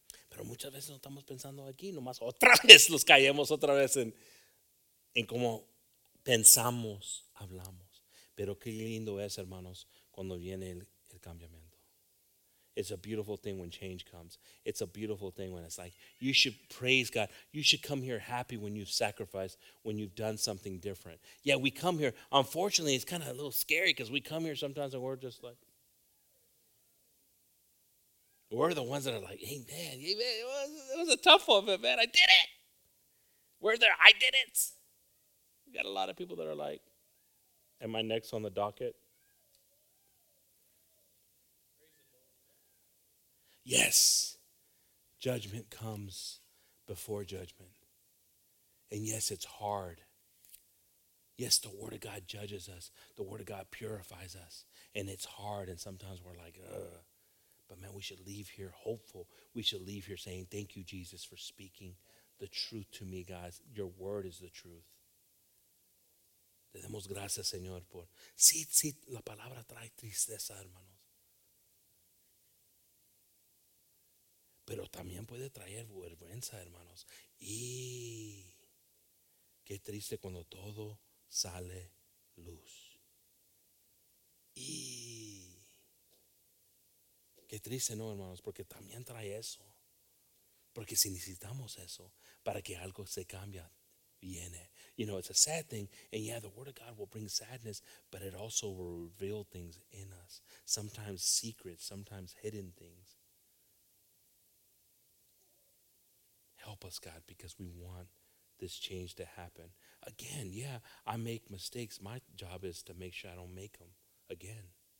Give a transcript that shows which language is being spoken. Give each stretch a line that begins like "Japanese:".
Spanish: Pero muchas veces no estamos pensando aquí, nomás otra vez nos caemos otra vez en cómo pensamos, hablamos. Pero qué lindo es, hermanos, cuando viene el cambiamiento.
English: It's a beautiful thing when change comes. It's a beautiful thing when it's like, you should praise God. You should come here happy when you've sacrificed, when you've done something different. Yeah, we come here. Unfortunately, it's kind of a little scary because we come here sometimes and we're just like, we're the ones that are like, amen, amen. It was a tough one, but man, I did it. We're there. I did it. We got a lot of people that are like, am I next on the docket? Yes. Judgment comes before judgment. And yes, it's hard. Yes, the Word of God judges us. The Word of God purifies us. And it's hard. And sometimes we're like, ugh. But man, we should leave here hopeful. We should leave here saying, thank you, Jesus, for speaking the truth to me, guys. Your word is the truth.
Spanish: Le damos gracias, Señor, por... Sí, la palabra trae tristeza, hermanos. pero también puede traer vergüenza, hermanos. Y qué triste cuando todo sale luz. Y qué triste, ¿no, hermanos? Porque también trae eso. Porque si necesitamos eso para que algo se cambie, viene.
English: You know, it's a sad thing. And yeah, the word of God will bring sadness, but it also will reveal things in us. Sometimes secrets, sometimes hidden things. Help us, God, because we want this change to happen. Again, yeah, I make mistakes. My job is to make sure I don't make them again.